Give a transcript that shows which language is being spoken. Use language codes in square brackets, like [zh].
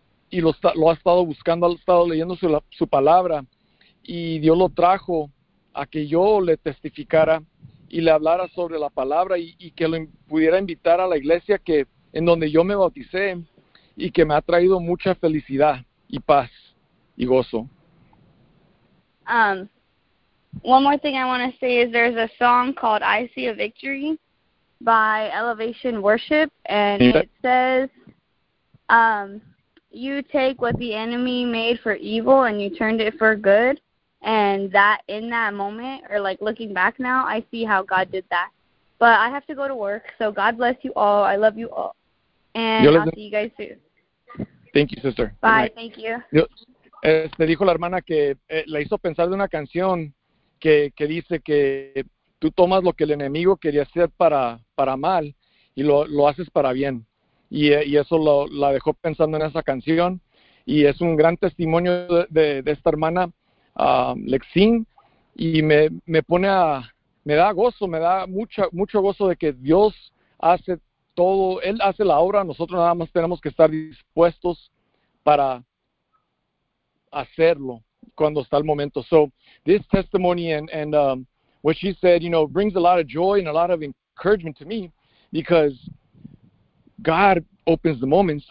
[es] y lo ha estado buscando, ha estado leyendo su palabra, y Dios lo trajo a que yo le testificara y le hablara sobre la palabra, y que lo pudiera invitar a la iglesia que en donde yo me bauticé, y que me ha traído mucha felicidad y paz y gozo. [en] One more thing I want to say is there's a song called I See a Victory by Elevation Worship, and it says, you take what the enemy made for evil and you turned it for good, and that in that moment, or like looking back now, I see how God did that. But I have to go to work, so God bless you all. I love you all, and I'll see you guys soon. Thank you, sister. Bye, thank you. [es] Este, dijo la hermana que la hizo pensar de una canción que dice que tú tomas lo que el enemigo quería hacer para mal y lo haces para bien. Y eso la dejó pensando en esa canción. Y es un gran testimonio de esta hermana, Lexine. Y me da mucho gozo de que Dios hace todo. Él hace la obra. Nosotros nada más tenemos que estar dispuestos para hacerlo cuando está el momento. [en] So this testimony and what she said, you know, brings a lot of joy and a lot of encouragement to me, because God opens the moments.